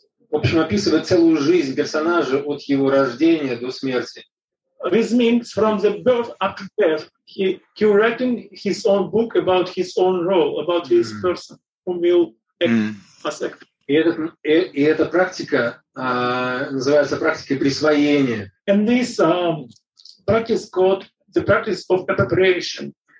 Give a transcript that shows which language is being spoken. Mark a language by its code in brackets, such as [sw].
[ru] В общем, описывает целую жизнь персонажа от его рождения до смерти. [en] This means from the birth up to death, he curating his own book about his own role, about this person whom will affect. [ru] И эта практика называется практикой присвоения. [en] And this practice called the practice of appropriation.